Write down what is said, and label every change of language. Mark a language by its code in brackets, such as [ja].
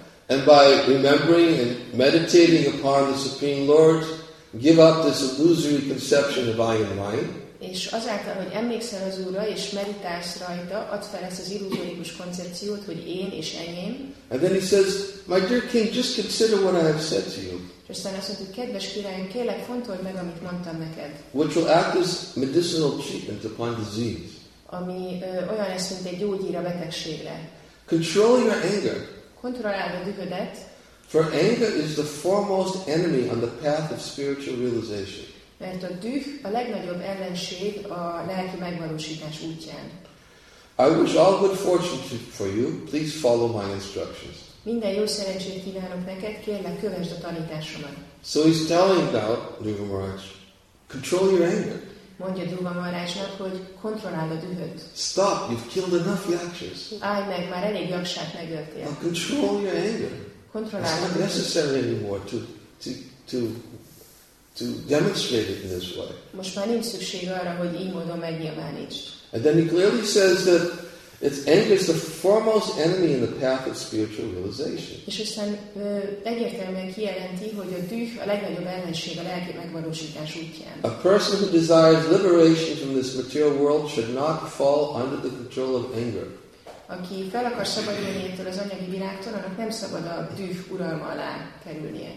[en] And by remembering and meditating upon the Supreme Lord, give up this illusory conception of I am mine. [hu] És azáltal, hogy emlékszel az Úrra és meditálsz rajta, add fel ezt az illuzórikus koncepciót, hogy én és enyém. [en] And then he says, my dear king, just consider what I have said to you. [hu] És aztán azt mondta, hogy kedves királyom, kérlek, fontold meg, amit mondtam neked. [en] Which will act as medicinal treatment upon disease. [hu] Ami olyan lesz, mint egy gyógyír a betegségre. [en] Control your anger. [hu] Kontrolláld a dühödet. [en] For anger is the foremost enemy on the path of spiritual realization. [hu] Mert a düh a legnagyobb ellenség a lelki megvalósítás útján. [en] I wish all good fortune to, for you. Please follow my instructions. [hu] Minden jó szerencsét kívánok neked, kérlek, kövesd a tanításomat. [en] So he's telling out, Dhruva Maharaj, control your anger. [hu] Mondja Dhruva Maharajnak, hogy kontrolláld a dühöt. [en] Stop, you've killed enough yakshas. [hu] Állj meg, már elég yakshát megöltél. [en] Now control your anger. [hu] Kontrolláld a dühöt. [en] It's not necessary anymore to demonstrate it in this way. [hu] Most már nincs szükség arra, hogy így módon megnyilvánítsd. [en] And then he clearly says that it's anger is the foremost enemy in the path of spiritual realization. [hu] És aztán egyértelműen kijelenti, hogy a düh a legnagyobb ellenség a lelki megvalósítás útján. [en] A person who desires liberation from this material world should not fall under the control of anger. [hu] Aki fel akar szabadulni ettől az anyagi világtól, annak nem szabad a düh uralma alá kerülnie.